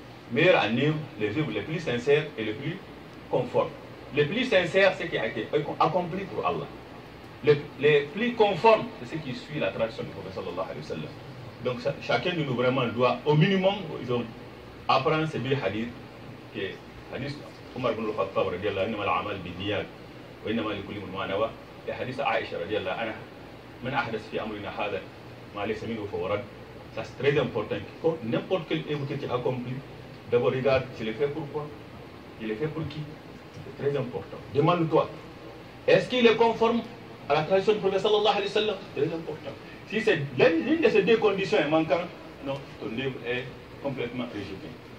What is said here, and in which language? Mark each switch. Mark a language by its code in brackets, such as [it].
[fr] Meilleur en œuvre, les œuvres les plus sincères et les plus conformes. Les plus sincères, c'est ce qui a été accompli pour Allah. Les plus conformes, c'est ce qui suit la tradition du Prophète sallallahu alayhi wa sallam. Donc chacun de nous vraiment doit, au minimum, ils ont apprendre ces deux hadiths, qui est hadith. [ar] عمر بن الخطاب رضي الله عنه الأعمال بالنيات وإنما لكل من معنوى حديث عائشة رضي الله عنها من أحدث في أمرنا هذا ما ليس منه فهو رد. [en] That's very important. [fr] N'importe quel œuvre que tu accomplis, d'abord regarde, tu le fais pour quoi? Tu le fais pour qui? C'est très important. Demande-toi, est-ce qu'il est conforme à la tradition du Prophète sallallahu alayhi wa sallam? Très important. Si c'est l'une de ces deux conditions est manquante, non, ton œuvre est complètement rejetée.